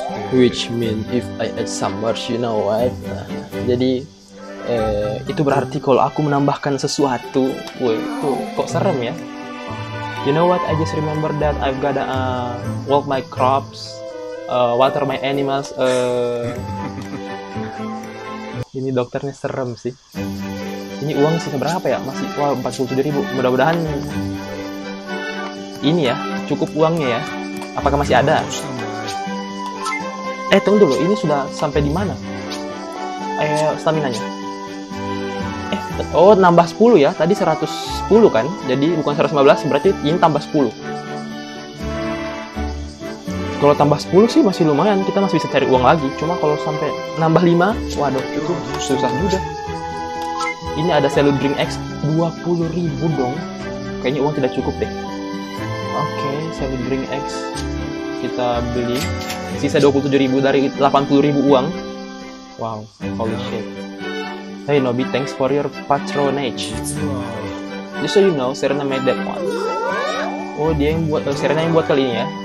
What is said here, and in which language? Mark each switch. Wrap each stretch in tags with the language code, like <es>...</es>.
<en>Which mean if I add some words, you know what?</en> <id>Jadi itu berarti kalau aku menambahkan sesuatu, woi, itu kok serem ya?</id> <en>You know what? I just remember that I've gotta walk my crops, water my animals.</en> <id>Ini dokternya serem sih. Ini uang sisa berapa ya? Masih 47.000. Mudah-mudahan ini ya, cukup uangnya ya. Apakah masih ada? Tunggu dulu. Ini sudah sampai di mana? Staminanya? Nambah 10 ya. Tadi 110 kan. Jadi bukan 115, berarti ini tambah 10. Kalau tambah 10 sih masih lumayan, kita masih bisa cari uang lagi. Cuma kalau sampai nambah 5, waduh, itu susah juga. Ini ada Selu Drink X 20.000 dong. Kayaknya uang tidak cukup deh. Oke, Selu Drink X kita beli. Sisa 27.000 dari 80.000 uang.</id> <en>Wow, holy shit. Hey Nobi, thanks for your patronage. Just so you know, Serena made that one.</en> <id>Oh, dia yang buat, Serena yang buat kali ini ya.</id>